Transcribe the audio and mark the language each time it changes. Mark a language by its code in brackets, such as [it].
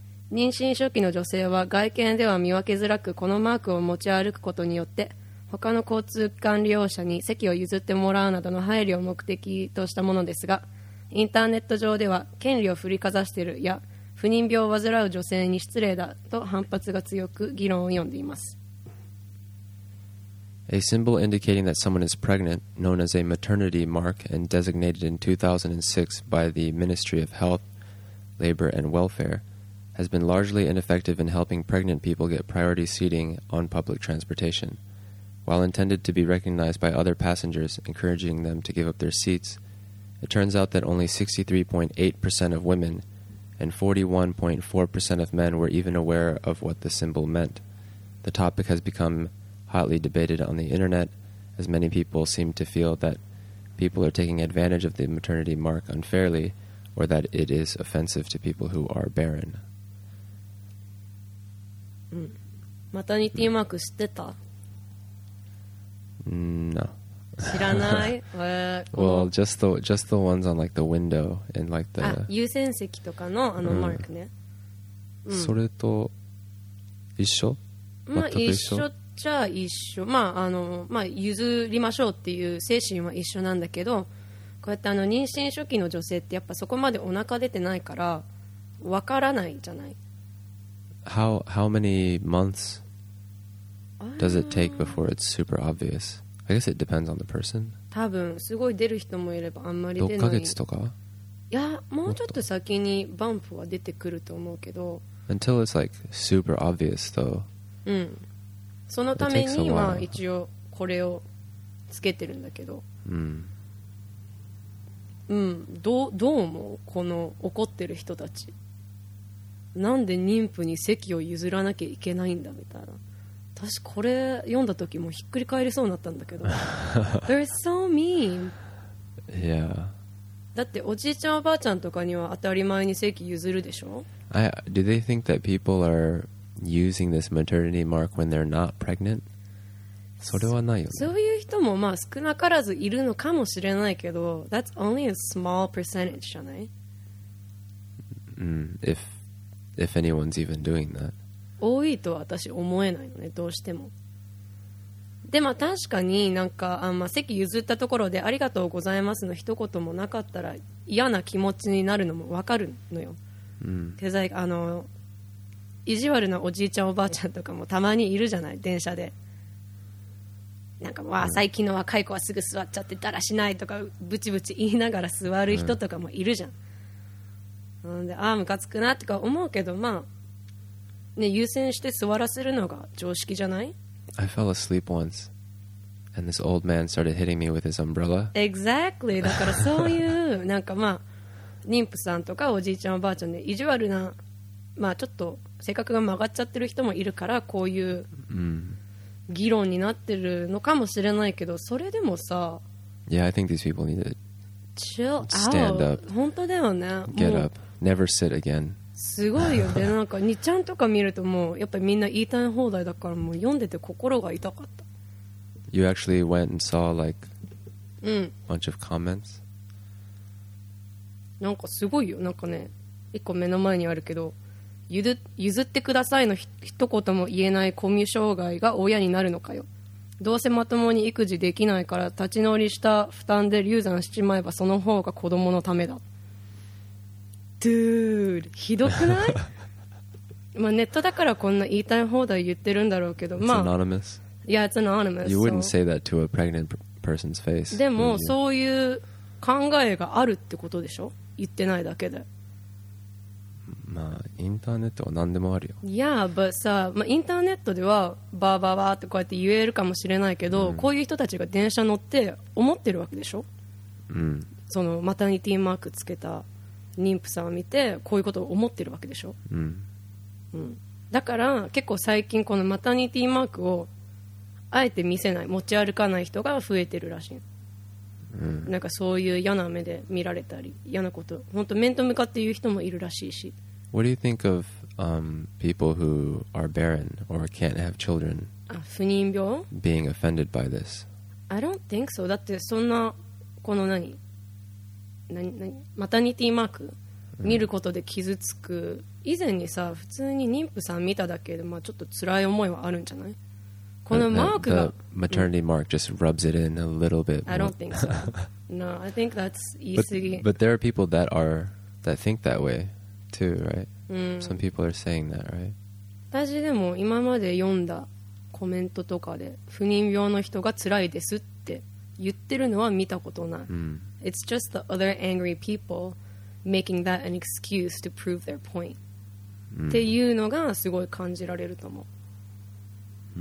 [ja] 妊娠初期の女性は外見では見分けづらく、このマークを持ち歩くことによって他の交通機関利用者に席を譲ってもらうなどの配慮を目的としたものですが、インターネット上では権利を振りかざしているや不妊病を患う女性に失礼だと反発が強く議論を呼んでいます。 [en] A symbol indicating that someone is pregnant, known as a maternity mark and designated in 2006 by the Ministry of Health, Labor and Welfare, has been largely ineffective in helping pregnant people get priority seating on public transportation. While intended to be recognized by other passengers, encouraging them to give up their seats, it turns out that only 63.8% of womenand 41.4% of men were even aware of what the symbol meant. The topic has become hotly debated on the internet, as many people seem to feel that people are taking advantage of the maternity mark unfairly, or that it is offensive to people who are barren. [ja] マタニティマーク知ってた？ [en] No. [ja] 知らない。 [en] Well, just the ones on like the window and like the [ja] 優先席とかのあのマークね。うん、それと一緒？まあ一緒っちゃ一緒。まあ譲りましょうっていう精神は一緒なんだけど、こうやってあの妊娠初期の女性ってやっぱそこまでお腹出てないからわからないじゃない。 [en] How many months does it take before it's super obvious? I guess it depends on the person. [ja] 多分すごい出る人もいればあんまり出ない。 6ヶ月とか？いや、もうちょっと先にバンプは出てくると思うけど。 [en] Until it's like super obvious though. うん。 [ja] そのためには一応これをつけてるんだけど。うん。うん。どう思う？この怒ってる人たち。なんで妊婦に席を譲らなきゃいけないんだみたいな。私これ読んだ時もひっくり返りそうになったんだけど。 [en] They're so mean. Yeah. [ja] だっておじいちゃんおばあちゃんとかには当たり前に席譲るでしょ。 [en] Do they think that people are using this maternity mark when they're not pregnant? [ja] それはないよね。そういう人もまあ少なからずいるのかもしれないけど、 [en] That's only a small percentage [ja] じゃない。 [en] If anyone's even doing that. [ja] 多いとは私思えないのね、どうしても。でも確かになんか、席譲ったところでありがとうございますの一言もなかったら嫌な気持ちになるのも分かるのよ、うん、手際あの意地悪なおじいちゃんおばあちゃんとかもたまにいるじゃない、電車で。なんか、うん、わあ最近の若い子はすぐ座っちゃってだらしないとかブチブチ言いながら座る人とかもいるじゃん、うん、でああムカつくなとか思うけど、まあね、優先して座らせるのが常識じゃない？ [en] I fell asleep once and this old man started hitting me with his umbrella. Exactly. [ja] だからそういうなんかまあ妊婦さんとかおじいちゃんおばあちゃんで意地悪な、まあちょっと性格が曲がっちゃってる人もいるからこういう議論になってるのかもしれないけど、それでもさ、 [en] Yeah, I think these people need to chill out. Stand up. [ja] 本当だよね。 [en] Get up. Never sit again. [ja] すごいよ。でなんか2ちゃんとか見るともうやっぱりみんな言いたい放題だから、もう読んでて心が痛かった。 [en] You actually went and saw like a bunch of comments? [ja] なんかすごいよ。なんかね、1個目の前にあるけど、譲ってくださいの一言も言えないコミュ障害が親になるのかよ。どうせまともに育児できないから立ち乗りした負担で流産しちまえばその方が子供のためだ。 [en] Dude, [ja] ひどくない？まあネットだからこんな言いたい放題言ってるんだろうけど、まあ、 [en] It's anonymous. Yeah, it's anonymous. You wouldn't say that to a pregnant person's face. [ja] でもそういう考えがあるってことでしょ？言ってないだけで。まあインターネットは何でもあるよ。いやまあさ、インターネットではバーバーバーってこうやって言えるかもしれないけど、うん、こういう人たちが電車乗って思ってるわけでしょ、うん、そのマタニティマークつけた妊婦さんを見てこういうことを思ってるわけでしょ、うんうん、だから結構最近このマタニティマークをあえて見せない持ち歩かない人が増えてるらしい、うん、なんかそういう嫌な目で見られたり嫌なこと本当面と向かって言う人もいるらしいし。 [en] What do you think of、people who are barren or can't have children [ja] 不妊病 [en] being offended by this? I don't think so. [ja] だってそんなこの何何マタニティマーク見ることで傷つく、うん、以前にさ普通に妊婦さん見ただけで、まあ、ちょっと辛い思いはあるんじゃない。このマークが [en] the maternity mark just rubs it in a little bit I don't think so No, I think that's [ja] 言い過ぎ [en] but there are people that are that think that way too, right?、うん、 Some people are saying that, right? [ja] 私でも今まで読んだコメントとかで不妊病の人が辛いですって言ってるのは見たことない、うん、 [en] It's just the other angry people making that an excuse to prove their point、うん、 [ja] っていうのがすごい感じられると思う。